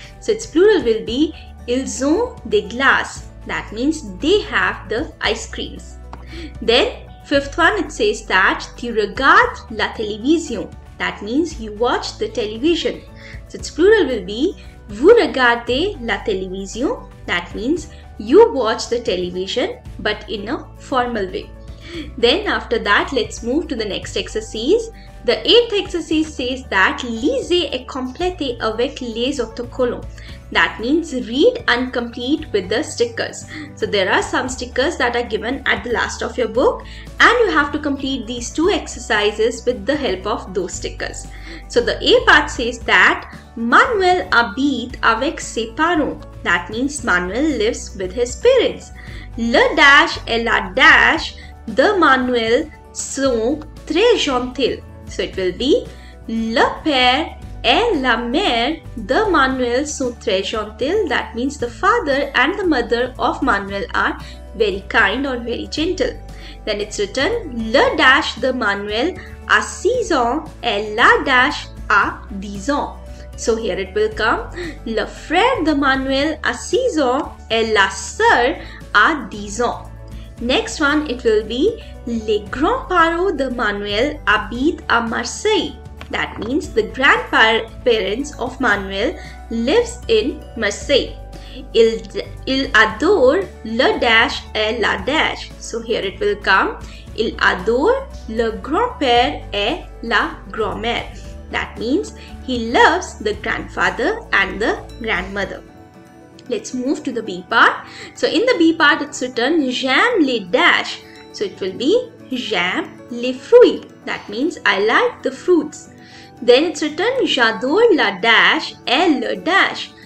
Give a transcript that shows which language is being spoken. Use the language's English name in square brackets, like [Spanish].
[English] So its plural will be [French] Ils ont des glaces. [English] That means they have the ice creams. Then fifth one, it says that [French] Tu regardes la télévision. [English] That means you watch the television. So its plural will be [French] Vous regardez la télévision. [English] That means you watch the television, but in a formal way. Then after that, let's move to the next exercise. The eighth exercise says that [French] Lisez et complétez avec les autocollants. [English] That means read and complete with the stickers. So there are some stickers that are given at the last of your book, and you have to complete these two exercises with the help of those stickers. So the A part says that [French] Manuel habite avec ses parents. [English] That means Manuel lives with his parents. [French] Le dash et la dash de Manuel sont très gentils. [English] So it will be [French] Le père et la mère de Manuel sont très gentils. [English] That means the father and the mother of Manuel are very kind or very gentle. Then it's written [French] Le dash de Manuel a 6 ans et la dash a 10 ans. [English] So here it will come [French] Le frère de Manuel a 6 ans et la sœur a 10 ans. [English] Next one, it will be [French] Les grands-parents de Manuel habitent à Marseille. [English] That means the grandparents of Manuel lives in Marseille. [French] Il adore le dash et la dash. [English] So here it will come. [French] Il adore le grand-père et la grand-mère. [English] That means he loves the grandfather and the grandmother. Let's move to the B part. So in the B part, it's written [French] J'aime les dash. [English] So it will be [French] J'aime les fruits. [English] That means I like the fruits. Then it's written [French] J'adore la dash et le dash.